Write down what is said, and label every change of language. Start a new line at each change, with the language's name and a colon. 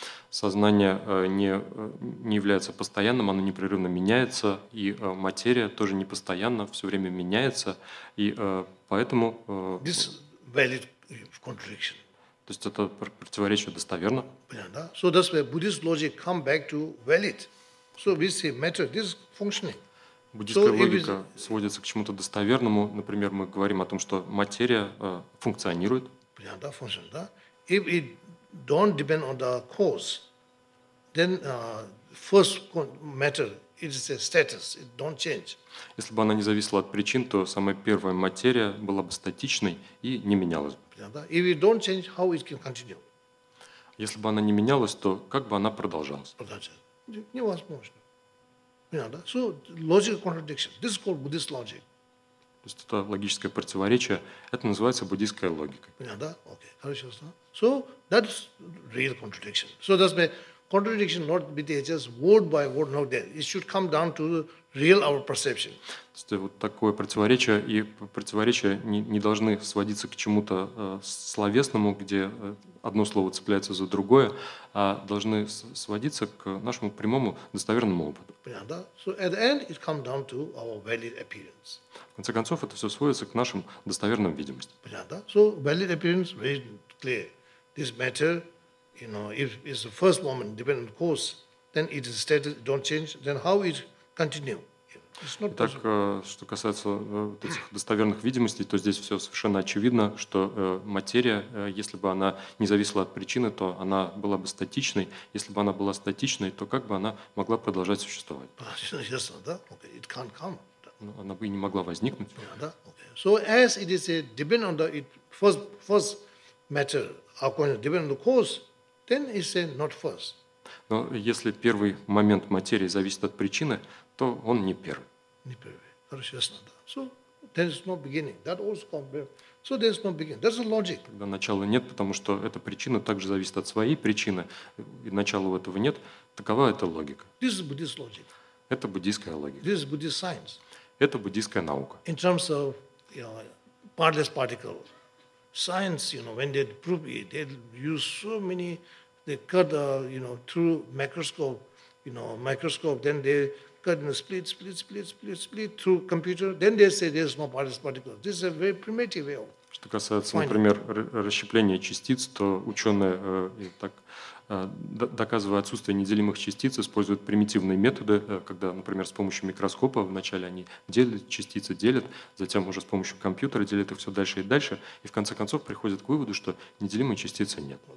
Russian: Сознание не является постоянным, оно непрерывно меняется, и материя тоже не постоянно, все время меняется, и поэтому.
English: This valid contradiction.
Russian: То есть это противоречие достоверно. Понятно, да?
English: So that's where Buddhist logic come back to valid. So we see matter, this is functioning.
Russian: Буддийская логика сводится к чему-то достоверному. Например, мы говорим о том, что материя функционирует. Прианда функционирует, да.
English: If it don't depend on the cause, then first matter is a status, it don't change.
Russian: Если бы она не зависела от причин, то самая первая материя была бы статичной и не менялась бы.
English: If it don't change, how it can continue?
Russian: Если бы она не менялась, то как бы она продолжалась? Продолжалась. Невозможно. Понятно?
English: So, logical contradiction. This is called Buddhist logic.
Russian: То есть это логическое противоречие. Это называется буддийская логика. Понятно?
English: Okay.
Russian: Хорошо.
English: So, that's real contradiction. So, that's my contradiction not with the just word by word, not there. It should come down to real our perception.
Russian: То есть вот такое противоречие, и противоречия не должны сводиться к чему-то словесному, где одно слово цепляется за другое, а должны сводиться к нашему прямому достоверному опыту.
English: So at the end it comes down to our valid appearance.
Russian: В конце концов, это все сводится к нашим достоверным видимостям.
English: So valid appearance very clear. This matter, you know, if it's the first moment dependent cause, then it is status don't change, then how it continue?
Russian: Итак, что касается вот этих достоверных видимостей, то здесь все совершенно очевидно, что материя, если бы она не зависела от причины, то она была бы статичной. Если бы она была статичной, то как бы она могла продолжать существовать?
English: It can't come.
Russian: Она бы и не могла возникнуть.
English: So as it is depend on the first matter, according to depend on the cause, then it's not first.
Russian: Но если первый момент материи зависит от причины, то он не первый. Не первый. Хорошо, ясно, да.
English: So, there is no beginning. That also compare. So, there is no beginning. That's the logic.
Russian: Когда начала нет, потому что эта причина также зависит от своей причины, и начала у этого нет, такова эта логика.
English: This is Buddhist logic.
Russian: Это буддийская логика.
English: This is Buddhist science.
Russian: Это буддийская наука.
English: In terms of, you know, partless particle science, you know, when they prove it, they use so many, they cut, you know, through microscope, you know, microscope, then they cut in a split through computer, then they say there's no particle. This is a very primitive way of.
Russian: Что касается, например, расщепления частиц, то ученые так доказывая отсутствие неделимых частиц, используют примитивные методы, когда, например, с помощью микроскопа вначале они делят частицы, делят, затем уже с помощью компьютера делят их все дальше и дальше, и в конце концов приходят к выводу, что неделимой частицы нет.